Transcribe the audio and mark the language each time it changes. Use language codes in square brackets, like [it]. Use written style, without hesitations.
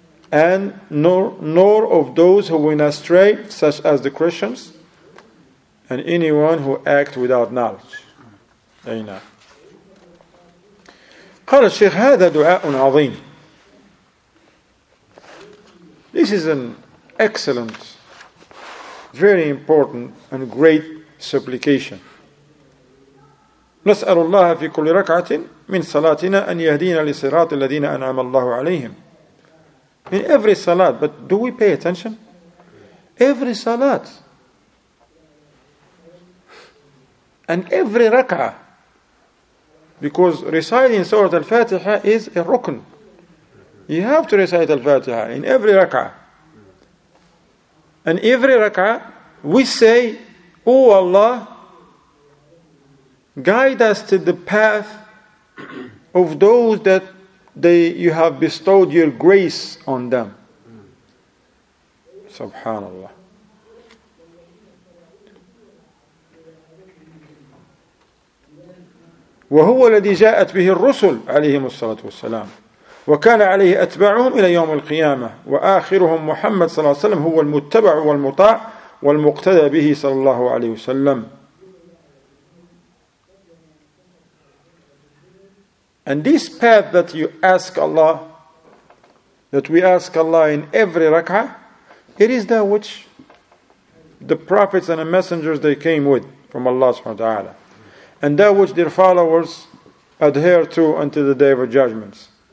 [en] And nor of those who went astray, such as the Christians, and anyone who act without knowledge. Ayna. [ar] قال الشيخ هذا دعاء عظيم. [en] This is an excellent, very important and great supplication. [ar] نسأل الله في كل ركعة من صلاتنا أن يهدينا لصراط الذين أنعم الله عليهم. [en] In every salat, but do we pay attention? Every salat. And every rak'ah. Because reciting Surah Al-Fatiha is a rukn. You have to recite Al-Fatiha in every rak'ah. And every rak'ah, we say, O Allah, guide us to the path of those that you have bestowed your grace on them. [ar] Subhanallah. وهو الذي جاءت به الرسل عليهم الصلاة والسلام وكان عليه أتباعهم إلى يوم القيامة وآخرهم محمد صلى الله عليه وسلم هو المتبع والمطاع والمقتدى به صلى الله عليه وسلم. [en] And this path that you ask Allah, that we ask Allah in every rak'ah, it is that which the prophets and the messengers they came with from Allah subhanahu wa ta'ala. And that which their followers adhere to until the day of judgments.